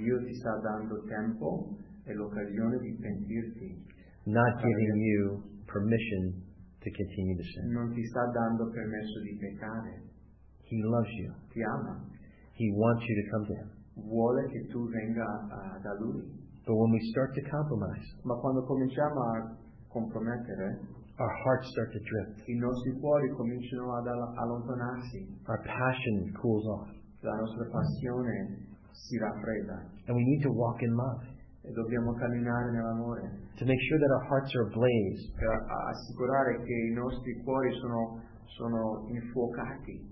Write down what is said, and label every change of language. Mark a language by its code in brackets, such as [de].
[it] Dio ti sta dando tempo e l'occasione di pentirti. [en] Not giving you permission to continue to sin. [it] Non ti sta dando permesso di peccare. [en] He loves you. [it] Ti ama. [en] He wants you to come to Him. [it] Vuole che tu venga da Lui. [en] But when we start to compromise, [it] ma quando cominciamo a compromettere, [en] our hearts start to drift. [it] I nostri cuori cominciano ad allontanarsi. [en] Our passion cools off. [it] La nostra passione si raffredda. [en] And we need to walk in love. [it] E dobbiamo camminare nell'amore. [en] To make sure that our hearts are ablaze. [it] Per assicurare che I nostri cuori sono infuocati.